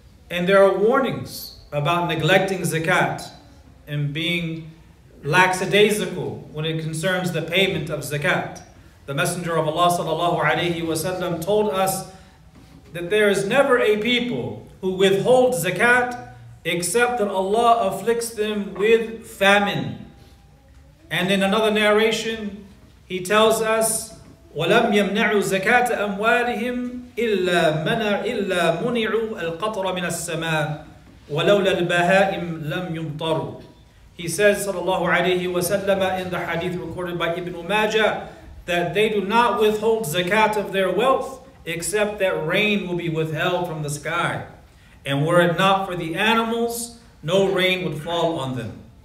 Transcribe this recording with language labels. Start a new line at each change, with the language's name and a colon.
English: And there are warnings about neglecting zakat and being lackadaisical when it concerns the payment of zakat. The Messenger of Allah sallallahu alayhi wa sallam told us that there is never a people who withhold zakat except that Allah afflicts them with famine. And in another narration, He tells us,
Arabic: وَلَمْ يَمْنَعُوا زَكَاةَ أَمْوَالِهِمْ إِلَّا مُنِعُوا الْقَطْرَ مِنَ السَّمَاءِ وَلَوْلَا الْبَهَائِمْ لَمْ يُمْطَرُوا.
English: He says sallallahu alayhi wa sallam in the hadith recorded by Ibn Majah that they do not withhold zakat of their wealth except that rain will be withheld from the sky. And were it not for the animals, no rain would fall on them.